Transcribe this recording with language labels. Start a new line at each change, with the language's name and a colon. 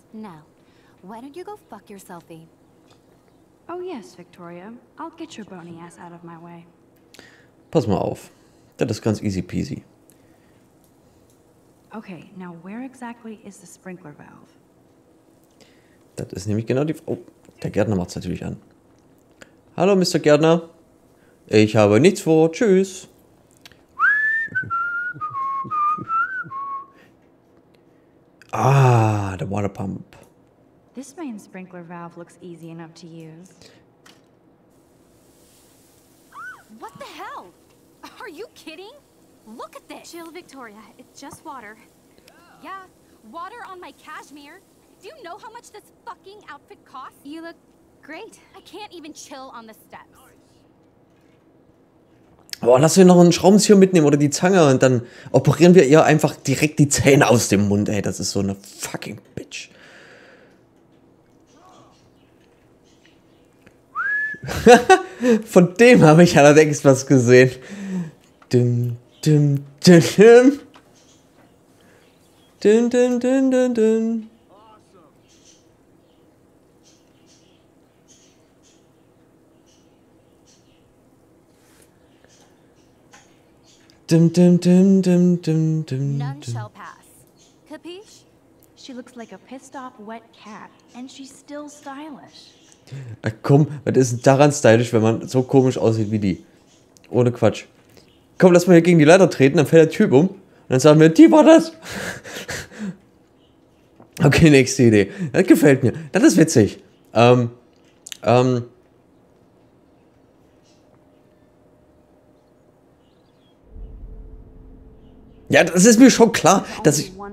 English: Now, why don't you go fuck your selfie? Oh yes, Victoria. I'll get your bony ass out of my way.
German: Pass mal auf. Das ist ganz easy peasy.
English: Okay, now where exactly is the sprinkler valve?
German: Das ist nämlich genau die... Oh, der Gärtner macht's natürlich an. Hallo, Mr. Gärtner. Ich habe nichts vor. Tschüss.
English: Ah, the water pump. This main sprinkler valve looks easy enough to use. What the hell? Are you kidding? Look at this. Chill, Victoria. It's just water. Yeah, water on my cashmere. Do you know how much this fucking outfit costs? You look great. I can't even chill on the steps.
German: Boah, lass mir noch einen Schraubenzieher mitnehmen oder die Zange und dann operieren wir ihr einfach direkt die Zähne aus dem Mund, ey. Das ist so eine fucking Bitch. Von dem habe ich allerdings was gesehen. Dim, dim, dim, dim. Dim, dim, dim, dim, dim. Dim, dim, dim, dim, dim, dim, none dim.
English: Shall pass. Capiche? She looks like a pissed off wet cat, and she's still stylish.
German: Ach komm, was ist daran stylisch, wenn man so komisch aussieht wie die? Ohne Quatsch. Komm, lass mal hier gegen die Leiter treten, dann fällt der Typ um. Und dann sagen wir, die war das. Okay, nächste Idee. Das gefällt mir. Das ist witzig. Ja, das ist mir schon klar, dass ich...